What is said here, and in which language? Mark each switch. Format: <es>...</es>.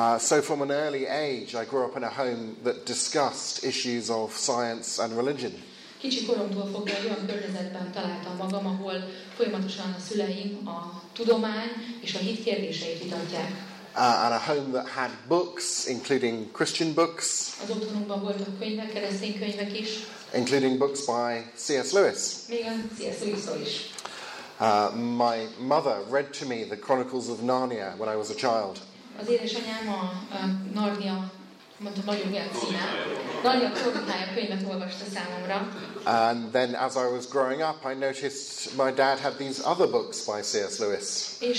<en>So from an early age, I grew up in a home that discussed issues of science and religion.</en> <hu>Kicsi koromtól fogva olyan környezetben találtam magam, ahol folyamatosan a szüleim a tudomány és a hit kérdéseit vitatják.</hu> <en>And a home that had books, including Christian books,</en> <hu>az otthonunkban voltak könyvek, keresztény könyvek is,</hu> <en>including books by C.S. Lewis.</en> <hu>Még a C.S. Lewis-ról is.</hu> <en>My mother read to me the Chronicles of Narnia when I was a child.</en> <hu>Az édesanyám a Narnia, mondta, nagyon jó címe. Narnia kronikája könyvet olvasta számomra.</hu> <en>And then as I was growing up, I noticed my dad had these other books by C.S. Lewis.</en>